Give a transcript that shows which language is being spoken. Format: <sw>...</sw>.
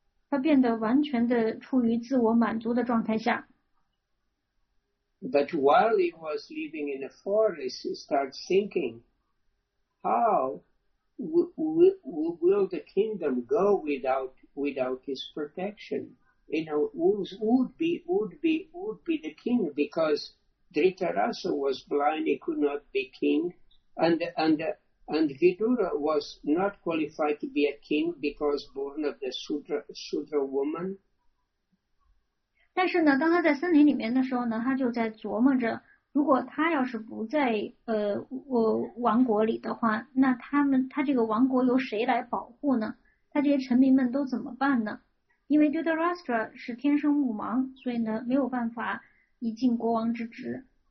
<zh>他变得完全的处于自我满足的状态下。</zh> <en>But while he was living in the forest, he started thinking, how will the kingdom go without his protection? You know, who would be the king? Because Dhritarasa was blind, he could not be king, and Vidura was not qualified to be a king because born of the Sudra woman.</en> <zh>但是呢，当他在森林里面的时候呢，他就在琢磨着，如果他要是不在王国里的话，那他这个王国由谁来保护呢？他这些臣民们都怎么办呢？因为 Dhritarashtra 是天生目盲，所以呢没有办法以尽国王之职。</zh>